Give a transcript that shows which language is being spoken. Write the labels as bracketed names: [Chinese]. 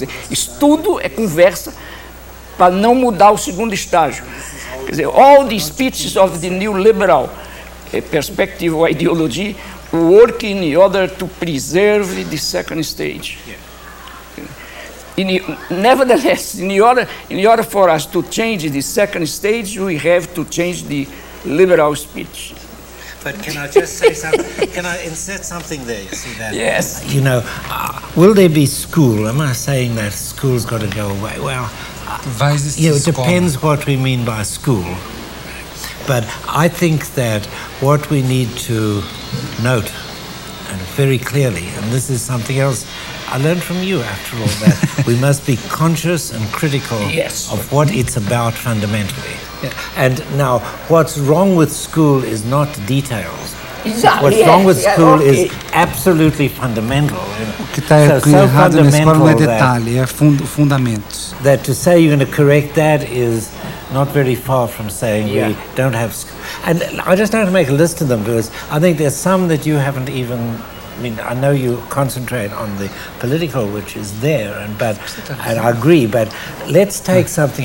[Portuguese] Isso tudo é conversa para não mudar o segundo estágio. Quer dizer, [English] all the speeches of the new liberal perspective or ideology work in order to preserve the second stage. Nevertheless, in order for us to change the second stage, we have to change the liberal speech. But can I just say something? Can I insert something there? You see that? Yes. You know, will there be school? Am I saying that school's got to go away? Well, it depends what we mean by school. But I think that what we need to note and very clearly, and this is something else I learned from you after all, that we must be conscious and critical of what it's about fundamentally. Yeah. And now, what's wrong with school is not details. Exactly. What's wrong with school is absolutely fundamental. [Portuguese] O que está errado na escola não é detalhe, é fundamentos. [English] That to say you're going to correct that is not very far from saying we don't have school. And I just don't have to make a list of them, because I think there's some that you haven't even... I mean, I know you concentrate on the political, which is there, and I agree, but let's take something.